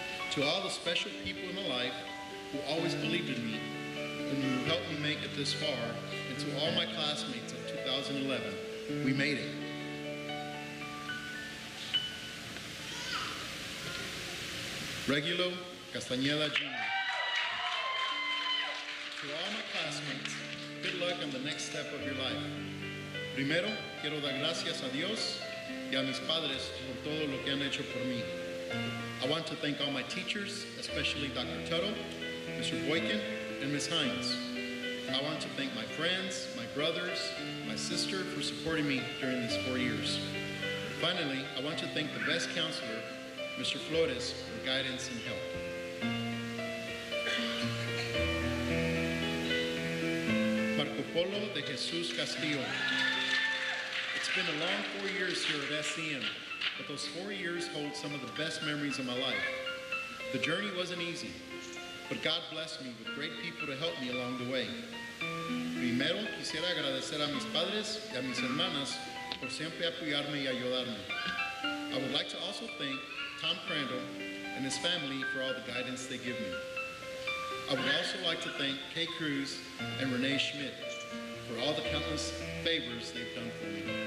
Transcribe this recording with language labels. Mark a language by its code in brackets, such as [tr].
[en] To all the special people in my life who always believed in me and who helped me make it this far, and to all my classmates of 2011, we made it. Regulo Castañeda Jr. To all my classmates, good luck on the next step of your life. [es] Primero, quiero dar gracias a Dios y a mis padres por todo lo que han hecho por mí. [en] I want to thank all my teachers, especially Dr. Tuttle, Mr. Boykin, and Ms. Hines. I want to thank my friends, my brothers, my sister for supporting me during these 4 years. Finally, I want to thank the best counselor, Mr. Flores, for guidance and help. Marco Polo de Jesus Castillo. It's been a long 4 years here at SEM. But those 4 years hold some of the best memories of my life. The journey wasn't easy, but God blessed me with great people to help me along the way. [es] Primero, quisiera agradecer a mis padres y a mis hermanas por siempre apoyarme y ayudarme. [en] I would like to also thank Tom Crandall and his family for all the guidance they give me. I would also like to thank Kay Cruz and Renee Schmidt for all the countless favors they've done for me.